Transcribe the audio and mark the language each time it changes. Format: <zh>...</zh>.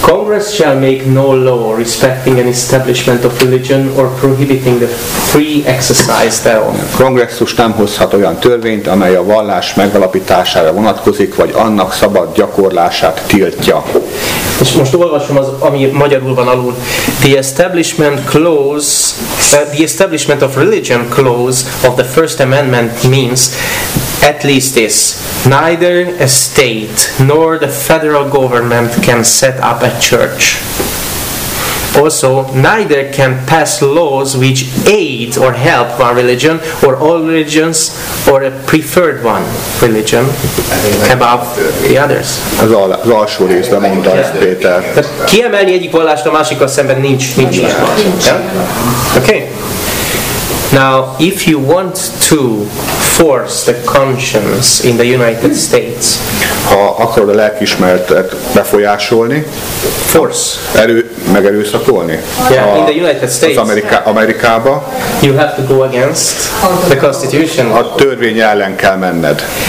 <en>Congress shall make no law respecting an establishment of religion or prohibiting the free exercise thereof.</en> <hu>A kongresszus nem hozhat olyan törvényt, amely a vallás megalapítására vonatkozik, vagy annak szabad gyakorlását tiltja. És most olvasom az, ami magyarul van alul.</hu> <en>The establishment clause, the establishment of religion clause of the First Amendment means at least this: neither a state nor the federal government can set up a church. Also, neither can pass laws which aid or help one religion or all religions or a preferred one religion above the others.</en> <hu>Az alsó részben mondta ezt Péter. Tehát kiemelni egyik vallást a másikkal szemben nincs ilyen.</hu> <en>Yeah. Okay. Now, if you want to force the conscience in the United States,</en> <hu>ha akarod a lelkiismeretet befolyásolni,</hu> <en>force,</en> <hu>megerőszakolni,</hu> <en>yeah, in the United States,</en> <hu>Amerikába,</hu> <en>you have to go against the Constitution.</en> <hu>A törvény ellen kell menned.</hu>